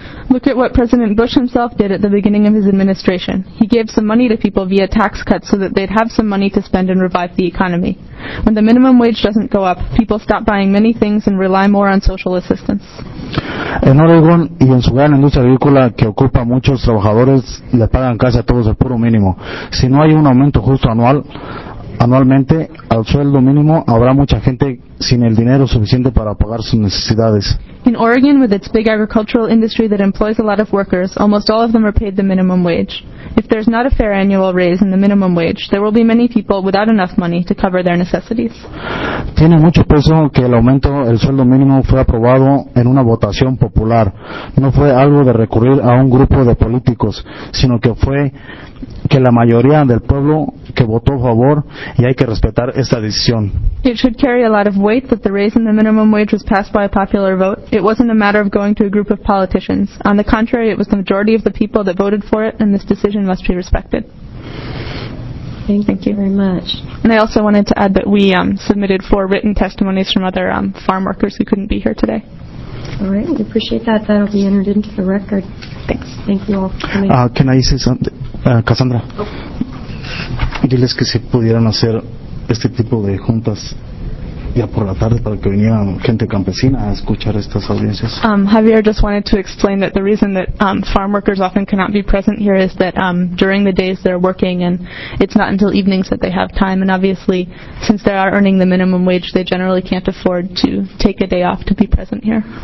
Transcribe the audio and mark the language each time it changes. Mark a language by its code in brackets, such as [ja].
[en] Look at what President Bush himself did at the beginning of his administration. He gave some money to people via tax cuts so that they'd have some money to spend and revive the economy. When the minimum wage doesn't go up, people stop buying many things and rely more on social assistance. [es] En Oregon y en su gran industria agrícola que ocupa muchos trabajadores, le pagan casi a todos el puro mínimo. Si no hay un aumento justo anualmente al sueldo mínimo, habrá mucha gente sin el dinero suficiente para pagar sus necesidades. [en] In Oregon, with its big agricultural industry that employs a lot of workers, almost all of them are paid the minimum wage. If there's not a fair annual raise in the minimum wage, there will be many people without enough money to cover their necessities. [es] Tiene mucho peso que el aumento del sueldo mínimo fue aprobado en una votación popular. No fue algo de recurrir a un grupo de políticos, sino que fue que la mayoría del pueblo que votó a favor, y hay que respetar esta decisión. [en] It should carry a lot of weight that the raise in the minimum wage was passed by a popular vote. It wasn't a matter of going to a group of politicians. On the contrary, it was the majority of the people that voted for it, and this decision must be respected. Thank you very much. And I also wanted to add that we submitted 4 written testimonies from other farm workers who couldn't be here today. All right, we appreciate that. That'll be entered into the record. Thanks. Thank you all for coming. Can I say something? Cassandra. [es] Diles que se pudieran hacer este tipo de juntas ya por la tarde para que viniera gente campesina a escuchar estas audiencias. [en] Javier just wanted to explain that the reason that farm workers often cannot be present here is that during the days they're working and it's not until evenings that they have time, and obviously since they are earning the minimum wage, they generally can't afford to take a day off to be present here.